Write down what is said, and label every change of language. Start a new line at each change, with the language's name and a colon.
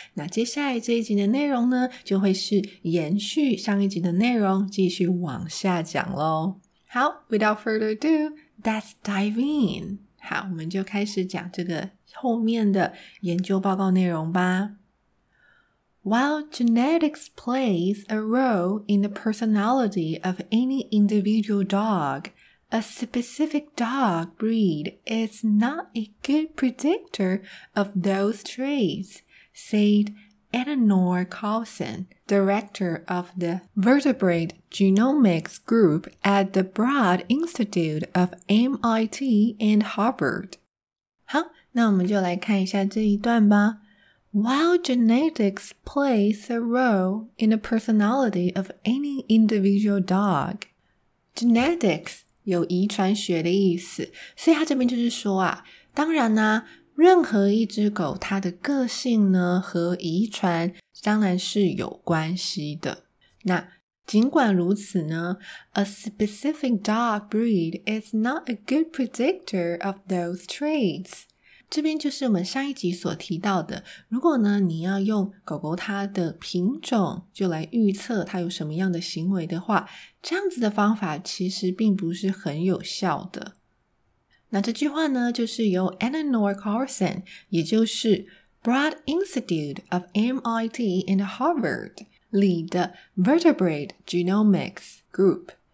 Chinese: 那接下来这一集的内容呢，就会是延续上一集的内容，继续往下讲咯。
English: 好， without further ado, let's dive in。
Chinese: 好，我们就开始讲这个后面的研究报告内容吧。
English: While genetics plays a role in the personality of any individual dog, a specific dog breed is not a good predictor of those traits, said Eleanor Carlson, director of the Vertebrate Genomics Group at the Broad Institute of MIT and Harvard.
Chinese: 好，那我们就来看一下这一段吧。
English: While genetics plays a role in the personality of any individual dog,
Chinese: genetics 有遗传学的意思，所以他这边就是说啊，当然呢，任何一只狗它的个性呢和遗传当然是有关系的。那尽管如此呢，
English: A specific dog breed is not a good predictor of those traits。
Chinese: 这边就是我们上一集所提到的，如果呢你要用狗狗它的品种就来预测它有什么样的行为的话，这样子的方法其实并不是很有效的。那这句话呢就是由 Eleanor Carlson， 也就是 Broad Institute of MIT and Harvard 里的 Vertebrate Genomics Group。